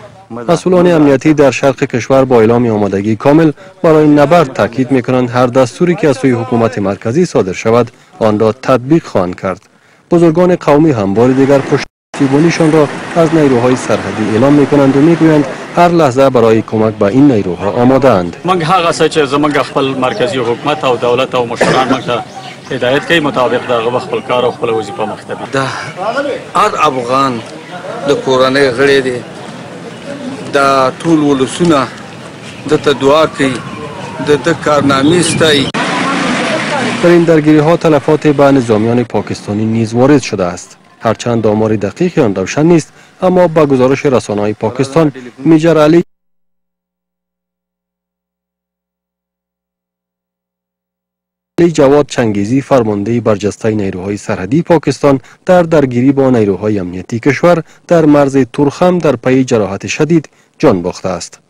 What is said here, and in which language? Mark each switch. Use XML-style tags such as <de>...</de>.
<fa>مسئولان امنیتی در شرق کشور با اعلام آمادگی کامل برای نبرد تاکید می کنند هر دستوری که از سوی حکومت مرکزی صادر شود آن را تطبیق خواهند کرد بزرگان قومی هم بار دیگر پشت پیمانیشان را از نیروهای سرحدی اعلام میکنند و میگویند هر لحظه برای کمک به این نیروها آماده اند.</fa> <ps>من هغه څه چې زمونږ خپل مرکزی حکومت او دولت او مشران مونږ ته هدایت کوي مطابق دغه خپل کار او خپل وظیفه مختبی ده. هر افغان د کورنۍ غړي دي، دا ټول ولسونه د ته دعا کوي، د ده کارنامې ستایي.</ps> <fa>در این درگیری ها تلفات به نظامیان پاکستانی نیز وارد شده است. هرچند آمار دقیق آن روشن نیست، اما با گزارش رسانه های پاکستان میجر علی جواد چنگیزی فرمانده برجسته نیروهای سرحدی پاکستان در درگیری با نیروهای امنیتی کشور در مرز تورخم در پی جراحت شدید جان باخته است.</fa>